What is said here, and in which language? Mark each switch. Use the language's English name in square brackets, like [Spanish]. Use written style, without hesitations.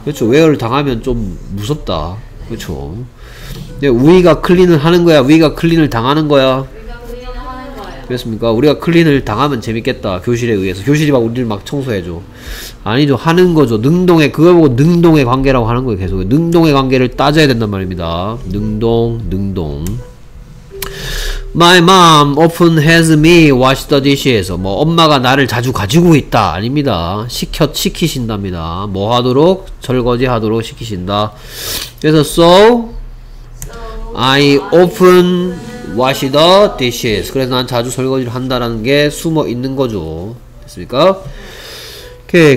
[Korean] 그렇죠. wear를 당하면 좀 무섭다. 그렇죠. We가 clean을 하는 거야. We가 clean을 당하는 거야. 그렇습니까? 우리가 클린을 당하면 재밌겠다. 교실에 의해서. 교실이 막 우리를 막 청소해줘. 아니죠. 하는 거죠. 능동의, 그걸 보고 능동의 관계라고 하는 거예요. 계속. 능동의 관계를 따져야 된단 말입니다. 능동, 능동. [English] My mom often has me wash the dishes. [Korean] 뭐, 엄마가 나를 자주 가지고 있다. 아닙니다. 시키신답니다. 뭐 하도록? 절거지 하도록 시키신다. 그래서, [English] so, I often wash the dishes. [Korean] 그래서 난 자주 설거지를 한다라는 게 숨어 있는 거죠. 됐습니까? 오케이.